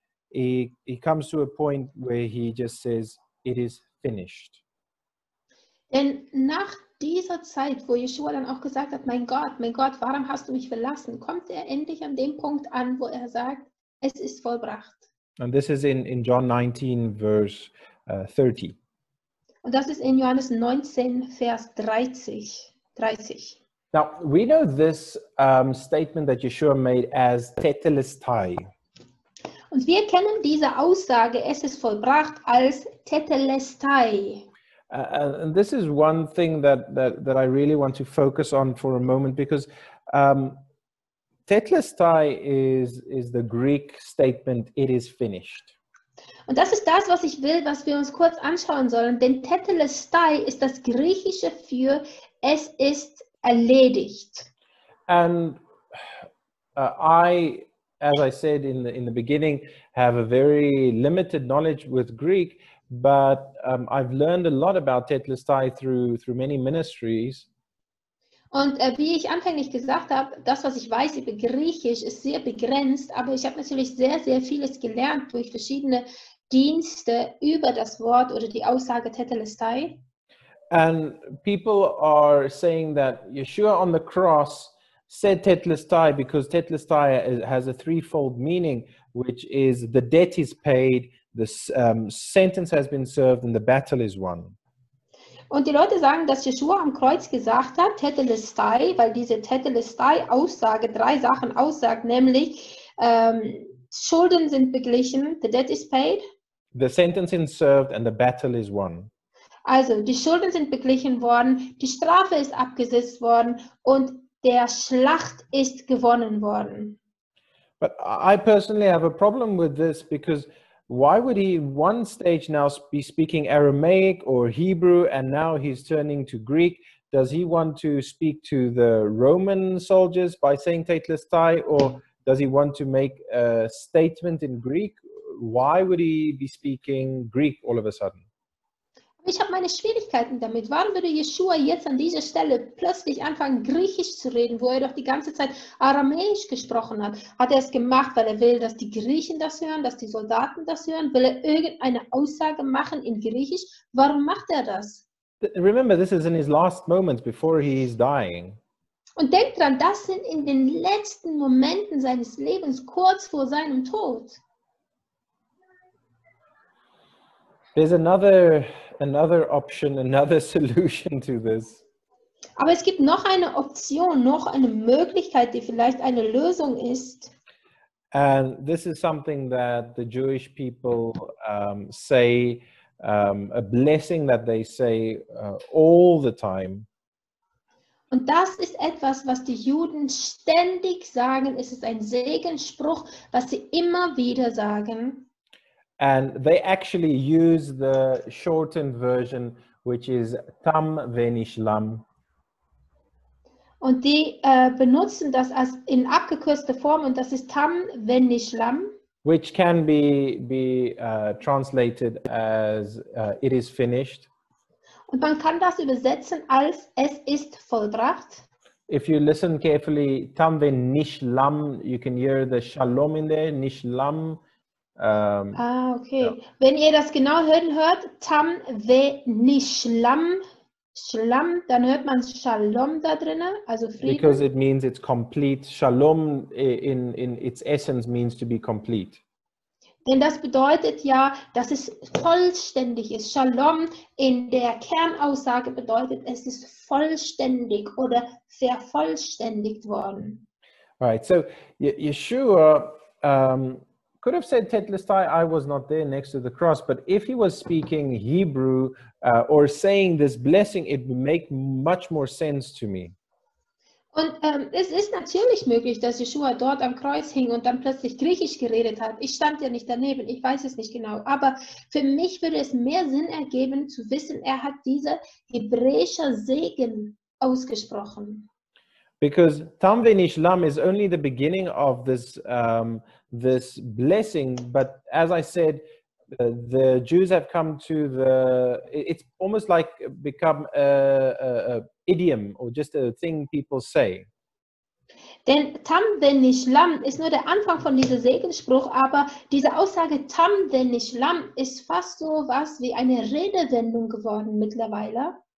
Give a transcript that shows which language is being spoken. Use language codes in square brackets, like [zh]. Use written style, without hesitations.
[en] He comes to a point where he just says, it is finished. [de] Denn nach dieser Zeit, wo Yeshua dann auch gesagt hat, mein Gott, warum hast du mich verlassen, kommt er endlich an dem Punkt an, wo er sagt, es ist vollbracht. [en] And this is in John 19, verse 30. [de] Und das ist in Johannes 19, Vers 30. [en] Now, we know this statement that Yeshua made as tetelestai. [de] Und wir kennen diese Aussage, es ist vollbracht, als tetelestai. [en] And this is one thing that I really want to focus on for a moment, because tetelestai is the Greek statement, it is finished. [de] Und das ist das, was ich will, was wir uns kurz anschauen sollen. Denn tetelestai ist das Griechische für es ist erledigt. [en] And I, as I said in the beginning, have a very limited knowledge with Greek, but I've learned a lot about tetelestai through many ministries. [de] Und wie ich anfänglich gesagt habe, das, was ich weiß über Griechisch, ist sehr begrenzt, aber ich habe natürlich sehr, sehr vieles gelernt durch verschiedene Dienste über das Wort oder die Aussage tetelestai. [en] And people are saying that Yeshua on the cross said tetelestai because tetelestai has a threefold meaning, which is the debt is paid, the sentence has been served and the battle is won. [de] Und die Leute sagen, dass Yeshua am Kreuz gesagt hat, tetelestai, weil diese tetelestai-Aussage drei Sachen aussagt, nämlich Schulden sind beglichen, [en] the debt is paid. The sentence is served and the battle is won. [de] Also, die Schulden sind beglichen worden, die Strafe ist abgesetzt worden und der Schlacht ist gewonnen worden. [en] But I personally have a problem with this, because why would he one stage now be speaking Aramaic or Hebrew and now he's turning to Greek? Does he want to speak to the Roman soldiers by saying tetelestai, or does he want to make a statement in Greek? Why would he be speaking Greek all of a sudden? [de] Ich habe meine Schwierigkeiten damit. Warum würde Yeshua jetzt an dieser Stelle plötzlich anfangen, Griechisch zu reden, wo er doch die ganze Zeit Aramäisch gesprochen hat? Hat er es gemacht, weil er will, dass die Griechen das hören, dass die Soldaten das hören? Will er irgendeine Aussage machen in Griechisch? Warum macht er das? [en] Remember, this is in his last moments before he is dying. [de] Und denk dran, das sind in den letzten Momenten seines Lebens, kurz vor seinem Tod. [en] There's another option, another solution to this. [de] Aber es gibt noch eine Option, noch eine Möglichkeit, die vielleicht eine Lösung ist. [en] And this is something that the Jewish people say, a blessing that they say all the time. [de] Und das ist etwas, was die Juden ständig sagen. Es ist ein Segensspruch, was sie immer wieder sagen. [en] And they actually use the shortened version, which is Tam Venishlam. [de] Und die benutzen das als in abgekürzter Form, und das ist Tam Venishlam. [en] Which can be translated as it is finished. [de] Und man kann das übersetzen als es ist vollbracht. [en] If you listen carefully, Tam Venishlam, you can hear the Shalom in there, Nishlam. [de] Okay. Ja. Wenn ihr das genau hört, Tam ve Nishlam, Shlam, dann hört man Shalom da drinnen, also Frieden. [en] Because it means it's complete. Shalom in its essence means to be complete. [de] Denn das bedeutet ja, dass es vollständig ist. Shalom in der Kernaussage bedeutet, es ist vollständig oder vervollständigt worden. [en] Right, so Yeshua could have said tetelestai, I was not there next to the cross, but if he was speaking Hebrew or saying this blessing, it would make much more sense to me. [de] Und es ist natürlich möglich, dass Jeschua dort am Kreuz hing und dann plötzlich Griechisch geredet hat. Ich stand ja nicht daneben, ich weiß es nicht genau. Aber für mich würde es mehr Sinn ergeben, zu wissen, er hat diese hebräische Segen ausgesprochen. [en] Because Tam Venishlam is only the beginning of this this blessing, but as I said, the Jews have come to the. It's almost like become a idiom or just a thing people say. [de] Denn Tam Venishlam ist nur der Anfang von diesem Segensspruch, aber diese Aussage Tam Venishlam ist fast so was wie eine Redewendung geworden mittlerweile.